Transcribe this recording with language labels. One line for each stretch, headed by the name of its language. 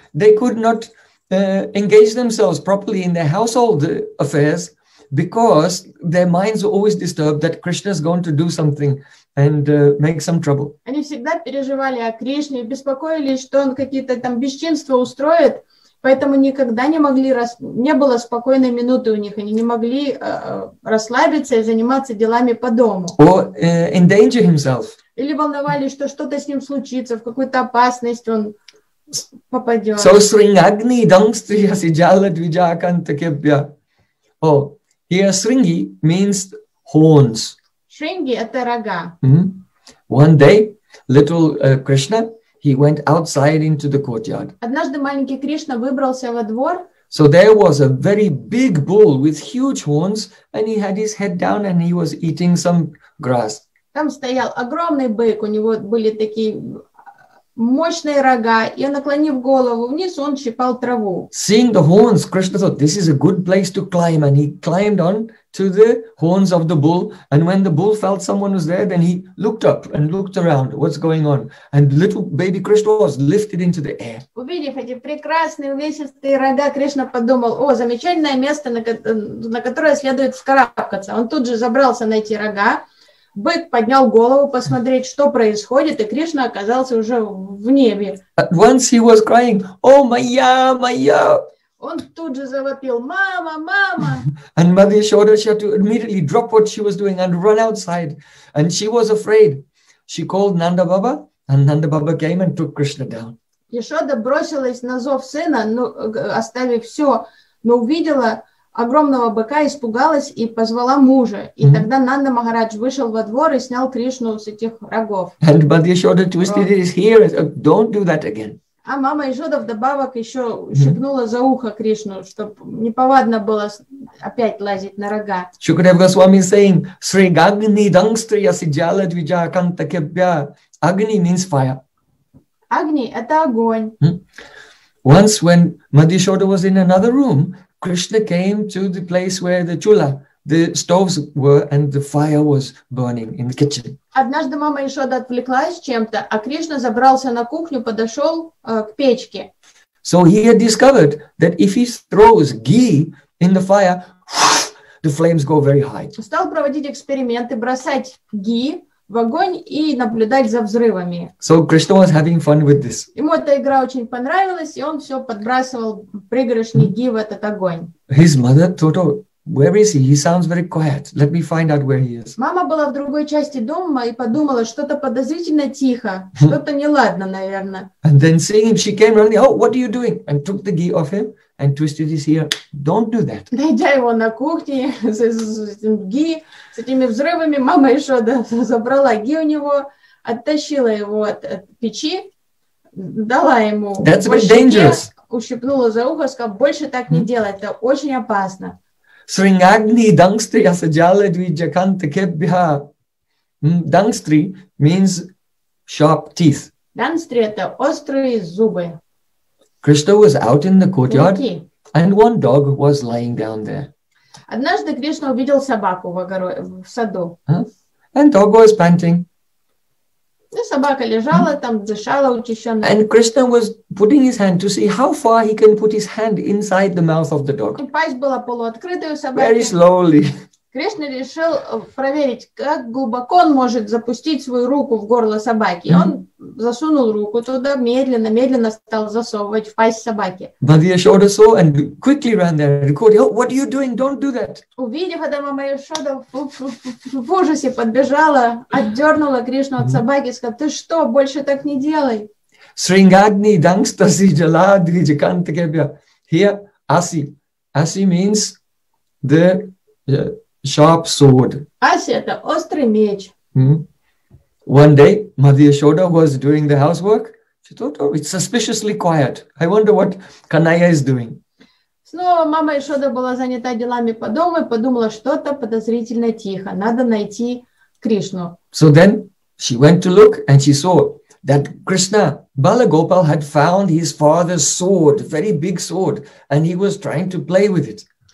English: They could not engage themselves properly in their household affairs because their minds were always disturbed that Krishna is going to do something and make some trouble.
Russian: Они всегда переживали о Кришне, беспокоились, что он какие-то там бесчинства устроит, поэтому никогда не могли, не было спокойной минуты у них, они не могли расслабиться и заниматься делами по дому.
English: Or endanger himself.
Russian: Или волновались, что что-то с ним случится, в какую-то опасность он попадет.
Sanskrit: So Sringagni dangstriyasi jala dvijakanta kebhya.
English: Oh, here Sringi means horns.
Russian: Sringi – это рога. Mm-hmm.
English: One day, little Krishna, he went outside into the courtyard.
Russian: Однажды маленький Кришна выбрался во двор.
English: So there was a very big bull with huge horns, and he had his head down, and he was eating some grass.
Russian: Там стоял огромный бык, у него были такие мощные рога, и он, наклонив голову вниз, он щипал траву.
English: Seeing the horns, Krishna thought, this is a good place to climb, and he climbed on to the horns of the bull. And when the bull felt someone was there, then he looked up and looked around, what's going on? And little baby Krishna was lifted into the air.
Russian: Увидев эти прекрасные увесистые рога, Кришна подумал, о, замечательное место, на которое следует вскарабкаться. Он тут же забрался на эти рога. Бык поднял голову посмотреть, что происходит, и Кришна оказался уже в небе.
English: At once he was crying,
Russian: "О, моя, моя!" Он тут же завопил, "Мама, мама!"
English: And Mother Yashoda, she had to immediately drop what she was doing and run outside, and she was afraid. She called Nanda Baba, and Nanda Baba came and took Krishna down.
Russian: Яшода бросилась на зов сына, но оставив все, но увидела огромного быка, испугалась и позвала мужа. И тогда Нанда Махарадж вышел во двор и снял Кришну с этих рогов.
English: And Mother Yashoda twisted his hair. Don't do that again.
Russian: А мама Яшода вдобавок еще шепнула за ухо Кришну, чтобы неповадно было опять лазить на рога.
English: Shukadev Goswami is saying,
Sanskrit: Sri Agni Dangstri Asijala Dvija Kanta Kebya.
English: Agni means fire.
Russian: Агни – это огонь.
English: Once when Mother Yashoda was in another room, Krishna came to the place where the chula, the stoves were, and the fire was burning in the kitchen.
Russian: Однажды мама Яшода отвлеклась чем-то, а Кришна забрался на кухню, подошел к печке.
English: So he had discovered that if he throws ghee in the fire, the flames go very high.
Russian: Стал проводить эксперименты, бросать ghee в огонь и наблюдать за взрывами.
English: So Krishna was having fun with this.
Russian: Ему эта игра очень понравилась, и он все подбрасывал пригоршни ги в этот огонь.
English: His mother thought, oh, where is he? He sounds very quiet. Let me find out where he is.
Russian: Мама была в другой части дома и подумала, что-то подозрительно тихо, что-то неладно, наверное.
English: And then seeing him, she came running, oh, what are you doing? And took the ghee off him and twisted his ear. Don't do that.
Russian: Найдя его на кухне с этими взрывами, мама еще забрала ги у него, оттащила его от печи, дала ему.
English: That's very dangerous.
Russian: Ущипнула за ухо, сказала, больше так не делай, это очень опасно.
Sanskrit: Сринагни дангстри асаджалы двиджаканта кеббиха.
English: Дангстри means sharp teeth.
Russian: Дангстри – это острые зубы.
English: Krishna was out in the courtyard, and one dog was lying down there.
Russian: Однажды Кришна увидел собаку в саду.
English: And dog was panting.
Russian: И собака лежала там, дышала учащенно.
English: And Krishna was putting his hand to see how far he can put his hand inside the mouth of the dog.
Russian: И пасть была полуоткрытая у собаки.
English: Very slowly.
Russian: Кришна решил проверить, как глубоко он может запустить свою руку в горло собаки. И он засунул руку туда, медленно-медленно стал засовывать в пасть собаки.
English: Mother Yashoda saw and quickly ran there and recorded, oh, what are you doing? Don't do that.
Russian: Увидев это, мама Яшода в ужасе подбежала, отдернула Кришну от собаки и сказала, ты что, больше так не делай.
Sanskrit: Срингадни дангстаси джала дриджиканта кебя.
English: Here, аси. Аси means the sharp sword.
Russian: Аси – это острый меч.
English: One day, Mother Yashoda was doing the housework. She thought, oh, it's suspiciously quiet. I wonder what Kanaya is doing.
Russian: Снова мама Яшода была занята делами по дому и подумала, что-то подозрительно тихо. Надо найти Кришну.
English: So then she went to look and she saw that Krishna, Balagopal, had found his father's sword, very big sword, and he was trying to play with it.